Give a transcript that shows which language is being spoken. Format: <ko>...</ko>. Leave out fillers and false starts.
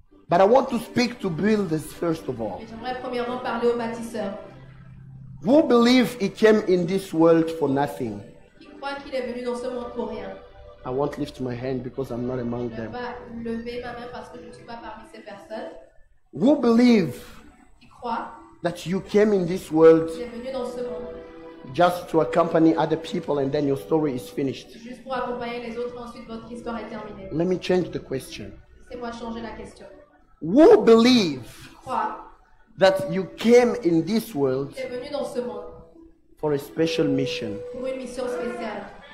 <en>But I want to speak to builders first of all.</en> <fr>Mais j'aimerais premièrement parler aux bâtisseurs.</fr> <en>Who believe he came in this world for nothing?</en> <fr>Qui croit qu'il est venu dans ce monde pour rien?</fr> <en>I won't lift my hand because I'm not among them.</en> <fr>Je ne vais pas lever ma main parce que je ne suis pas parmi ces personnes.</fr> <en>Who believe?</en> <fr>Qui croit?</fr> <en>That you came in this world</en> <fr>dans ce monde</fr> <en>just to accompany other people and then your story is finished.</en> <fr>Juste pour accompagner les autres, ensuite votre histoire est terminée.</fr> <en>Let me change the question.</en> <fr>C'est moi changer la question.</fr> <en>Who believe</en> <fr>croit</fr> <en>that you came in this world</en> <fr>venu dans ce monde</fr> <en>for a special mission?</en> <fr>Pour une mission spéciale.</fr>